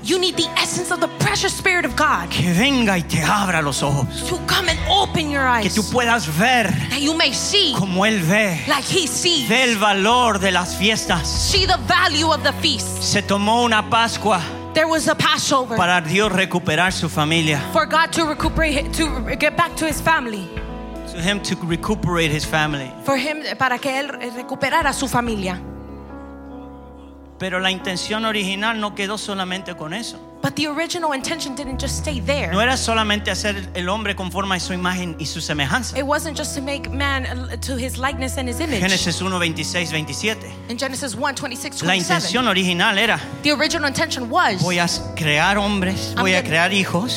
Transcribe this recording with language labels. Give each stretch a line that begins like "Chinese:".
English: You need the essence of the precious Spirit of God.
Spanish: Que venga y te abra los ojos.
English: To come and open your eyes.
Spanish: Que tú puedas ver.
English: That you may see.
Spanish: Como Él ve.
English: Like He sees.
Spanish: Ve el valor de las fiestas.
English: See the value of the feast.
Spanish: Se tomó una Pascua.
English: There was a Passover.
Spanish: Para Dios recuperar su familia.
English: For God to recuperate, to get back to His family. For Him to recuperate His family. For Him,
Spanish: para que él recuperara su familia. Pero la intención original no quedó solamente con eso.
English: But the original intention didn't just stay there.
Spanish: No era solamente hacer el hombre conforme a su imagen y su semejanza.
English: It wasn't just to make man to his likeness and his image. Genesis 1:26-27. In Genesis 1:26-27.
Spanish: La intención original era,
English: the original intention was,
Spanish: voy a crear hombres, voy a crear hijos.